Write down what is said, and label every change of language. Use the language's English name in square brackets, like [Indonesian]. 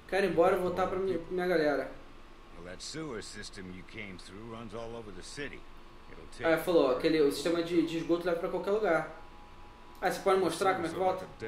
[Portuguese] Quero ir embora e voltar pra minha galera. [English] Well, that sewer system you came through runs all over the city. [Portuguese] Ah, falou, aquele o sistema de esgoto leva pra qualquer lugar. Ah, você pode mostrar como é que volta?